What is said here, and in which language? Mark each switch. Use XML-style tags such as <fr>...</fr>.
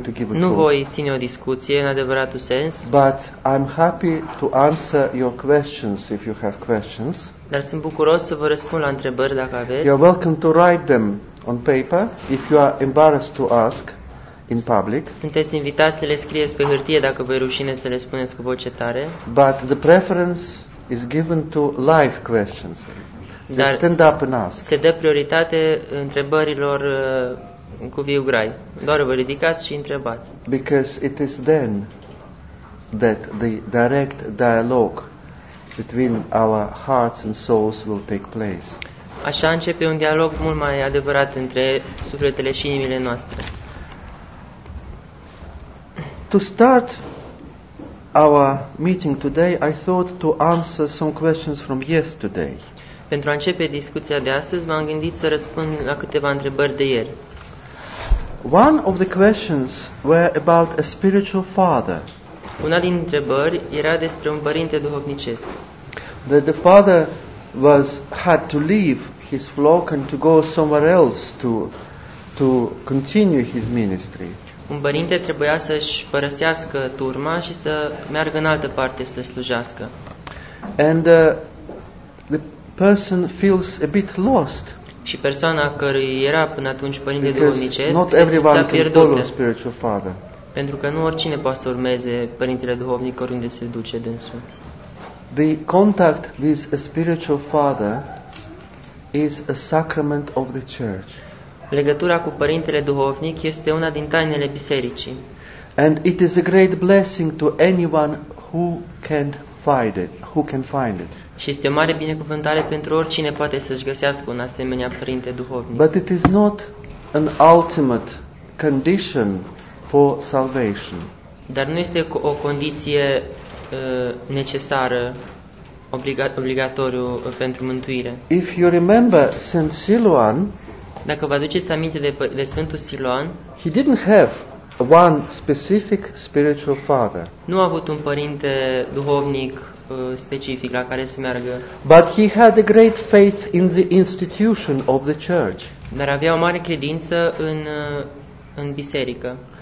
<ro>Nu voi ține o discuție în adevăratul sens.</ro> <en>But I'm happy to answer your questions if you have questions.</en> <ro>Dar sunt bucuros să vă răspund la întrebări dacă aveți.</ro> <en>You're welcome to write them on paper if you are embarrassed to ask in public.</en> <ro>Sunteți invitați să le scrieți pe hârtie dacă vă e rușine să le spuneți cu voce tare.</ro> <en>But the preference is given to live questions. Just stand up and ask.</en> <ro>Se dă prioritate întrebărilor cu viu grai. Doar vă ridicați și întrebați.</ro> <en>Because it is then that the direct dialogue between our hearts and souls will take place.</en> <ro>Așa începe un dialog mult mai adevărat între sufletele și inimile noastre.</ro> <en>To start our meeting today, I thought to answer some questions from yesterday.</en> <ro>Pentru a începe discuția de astăzi, m-am gândit să răspund la câteva întrebări de ieri.</ro> <en>One of the questions were about a spiritual father.</en> <ro>Una din întrebări era despre un părinte duhovnicesc.</ro> <en>That the father had to leave his flock and to go somewhere else to continue his ministry.</en> <ro>Un părinte trebuia să-și părăsească turma și să meargă în altă parte să slujească.</ro> <en>And the person feels a bit lost.</en> <ro>Și persoana cărui era până atunci părinte duhovnicesc,</ro> <en>not everyone can follow spiritual father.</en> <ro>Pentru că nu oricine poate să urmeze părintele duhovnic oriunde se duce dânsul.</ro> <en>The contact with a spiritual father is a sacrament of the church.</en> <ro>Legătura cu părintele duhovnic este una din tainele bisericii.</ro> <en>And it is a great blessing to anyone who can find it, who can find it.</en> <ro>Și este o mare binecuvântare pentru oricine poate să-și găsească un asemenea părinte duhovnic.</ro> <en>But it is not an ultimate condition for salvation.</en> <ro>Dar nu este o condiție necesară, obligatoriu pentru mântuire.</ro> <en>If you remember Saint Siluan,</en> <ro>Dacă vă aduceți aminte de Sfântul Siloan,</ro> <en>he didn't have one specific spiritual father.</en> <ro>Nu a avut un părinte duhovnic specific la care să meargă.</ro> <en>But he had a great faith in the institution of the church.</en> <ro>Dar avea o mare credință în biserică.</ro>